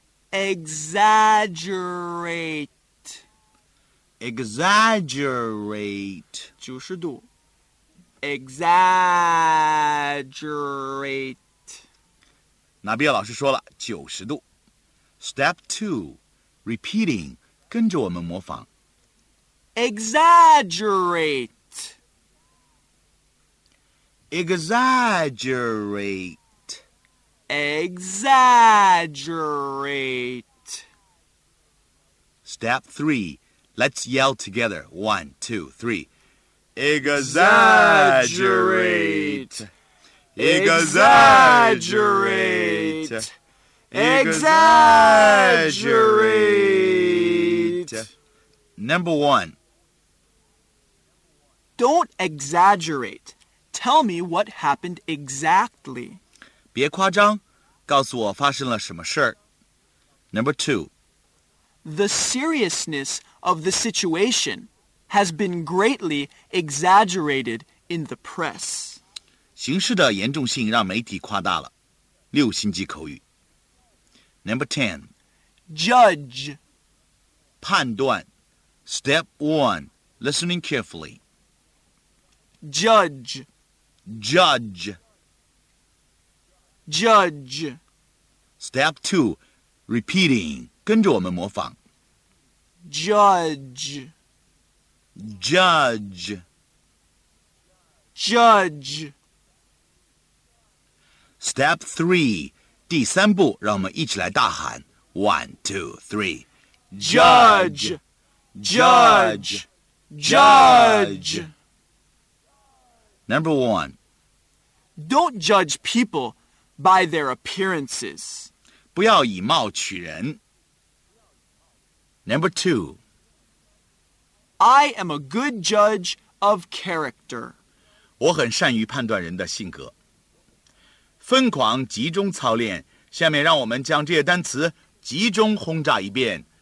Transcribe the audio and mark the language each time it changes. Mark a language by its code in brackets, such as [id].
[en] Exaggerate. [zh] 九十度。 [en] Exaggerate. [zh] 纳比亚老师说了九十度。 [en] Step two, repeating, [zh] 跟着我们模仿。 [en] Exaggerate. Exaggerate. Exaggerate. Step 3. Let's yell together. 1, 2, 3. Exaggerate. Exaggerate. Exaggerate. Number 1. Don't exaggerate. Tell me what happened exactly. [zh] 别夸张，告诉我发生了什么事儿。 [en] Number 2. The seriousness of the situation has been greatly exaggerated in the press. [zh] 形势的严重性让媒体夸大了，六星级口语。 [en] Number 10. Judge. [zh] 判断。 [en] Step 1. Listening carefully. Judge. Judge. Judge. Step 2. Repeating. [zh] 跟着我们模仿。 [en] Judge. Judge. Judge. Step 3. [zh] 第三步让我们一起来大喊。 [en] 1, 2, 3. Judge. Judge. Judge. Number 1. Don't judge people by their appearances. [zh] 不要以貌取人。 [en] Number 2. I am a good judge of character. [zh] 我很善于判断人的性格。疯狂集中操练，下面让我们将这些单词集中轰炸一遍。